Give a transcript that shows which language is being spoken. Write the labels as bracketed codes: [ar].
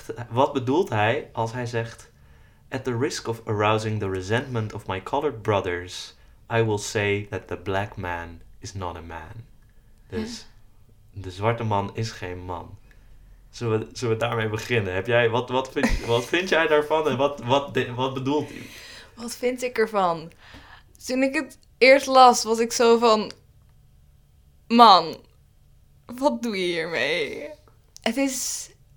[nl] Wat bedoelt hij als hij zegt... [en] At the risk of arousing the resentment of my colored brothers... I will say that the black man is not a man. [nl] Dus de zwarte man is geen man. Zullen we daarmee beginnen? Wat vind jij daarvan en wat bedoelt hij? Wat vind ik ervan? Toen ik het eerst las, was ik zo van... Man, wat doe je hiermee? Het is...